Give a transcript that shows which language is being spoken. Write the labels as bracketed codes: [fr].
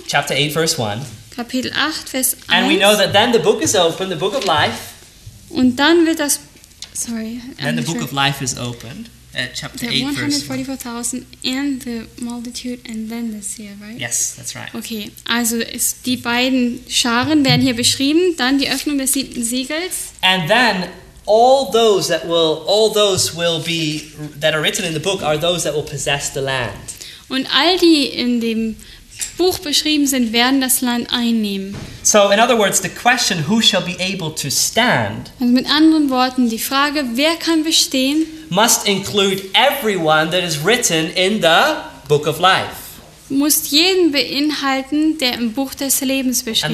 [en] Chapter 8, verse 1. [de] Kapitel 8, Vers 1. [en] And we know that then the book is open, the book of life. [de] Und dann wird das, sorry. [en] Then the book of life is opened. Chapter 8, verse 144,000 and the multitude and then the seal, right? Yes, that's right. [de] Okay, also die beiden Scharen werden hier beschrieben, dann die Öffnung des siebten Siegels. [en] And then all those that are written in the book are those that will possess the land. [de] Und all die in dem Buch beschrieben sind, werden das Land einnehmen. [en] So in other words, the question who shall be able to stand. [de] Also mit anderen Worten, die Frage, wer kann bestehen? [en] Must include everyone that is written in the book of life. [de] muss jeden beinhalten, der im Buch des Lebens beschrieben